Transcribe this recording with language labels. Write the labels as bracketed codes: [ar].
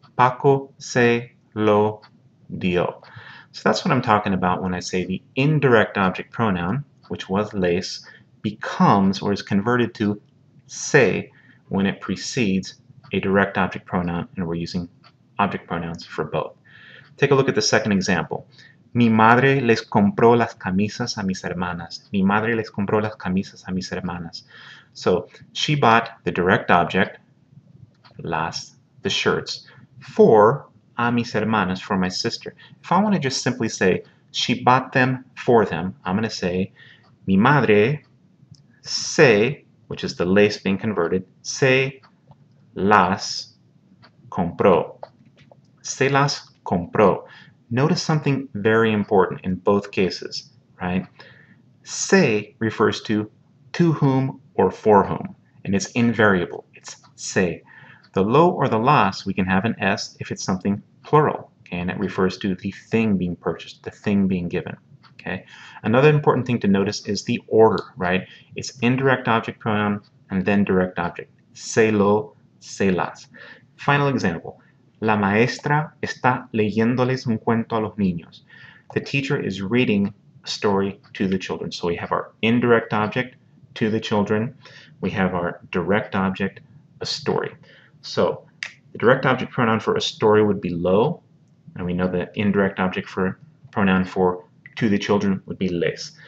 [es] Paco se lo dio. [en] So that's what I'm talking about when I say the indirect object pronoun, which was les, becomes or is converted to se when it precedes a direct object pronoun and we're using object pronouns for both. Take a look at the second example. [es] Mi madre les compró las camisas a mis hermanas. Mi madre les compró las camisas a mis hermanas. [en] So, she bought the direct object, las, the shirts, for [es] a mis hermanas, [en] for my sister. If I want to just simply say, she bought them for them, I'm going to say, [es] mi madre se, [en] which is the les being converted, [es] se las compró. Se las compró. [en] Notice something very important in both cases, right? Se refers to whom or for whom, and it's invariable. It's se. The lo or the las, we can have an s if it's something plural, okay? And it refers to the thing being purchased, the thing being given, okay? Another important thing to notice is the order, right? It's indirect object pronoun and then direct object. Se lo, se las. Final example. [es] La maestra está leyéndoles un cuento a los niños. [en] The teacher is reading a story to the children. So we have our indirect object to the children. We have our direct object, a story. So the direct object pronoun for a story would be lo. And we know the indirect object for pronoun for to the children would be les.